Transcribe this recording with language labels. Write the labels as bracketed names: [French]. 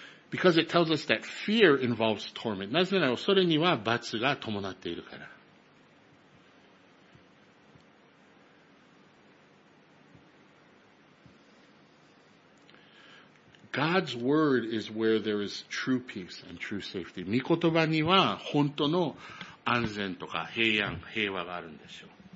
[English] Because it tells us that fear involves torment. [Japanese] なぜなら恐れには罰が伴っているから。 [English] God's word is where there is true peace and true safety. [Japanese] 御言葉には本当の安全とか平安、平和があるんですよ。